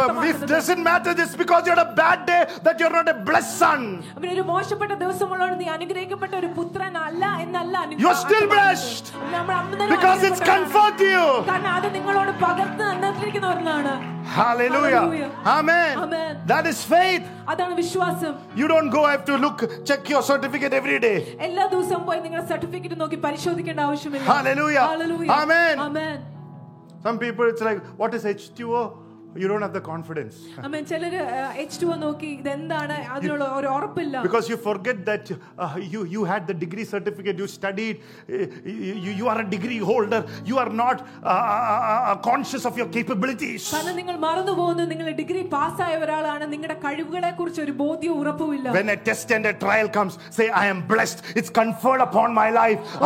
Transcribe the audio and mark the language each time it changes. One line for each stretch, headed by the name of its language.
English: It doesn't matter just because you had a bad day that you are not a blessed son.
Malayalam: ഒരു മോശപ്പെട്ട ദിവസമുള്ളോണ്ട് നീ അനുഗ്രഹിക്കപ്പെട്ട ഒരു പുത്രനല്ല എന്നല്ല.
English: You are still blessed. Because it's conferred to you.
Malayalam: കാരണം അത് നിങ്ങളോട് പകർന്നു തന്നിരിക്കുന്ന ഒന്നാണ്.
English: Hallelujah. Amen. Amen. That is faith.
Malayalam: അതാണ് വിശ്വാസം.
English: You don't go have to look check your certificate every day.
Malayalam: എല്ലാ ദിവസവും പോയി നിങ്ങളുടെ സർട്ടിഫിക്കറ്റ് നോക്കി പരിശോധിക്കേണ്ട ആവശ്യമില്ല.
English: Hallelujah. Hallelujah. Amen. Amen. Some people it's like what is H2O? You don't have the confidence. Amen.
Malayalam: ചിലരെ H2O നോക്കി ഇതെന്താണ് അതിനുള്ള ഒരു ഉറപ്പില്ല.
English: Because you forget that you had the degree certificate, you studied, you are a degree holder, you are not conscious of your capabilities.
Malayalam: കാരണം നിങ്ങൾ മറന്നു പോകുന്നു നിങ്ങൾ ഡിഗ്രി പാസ് ആയ ഒരാളാണ്, നിങ്ങളുടെ കഴിവുകളെ കുറിച്ച് ഒരു ബോധ്യം ഉറപ്പുമില്ല.
English: When a test and a trial comes, say I am blessed, it's conferred upon my life.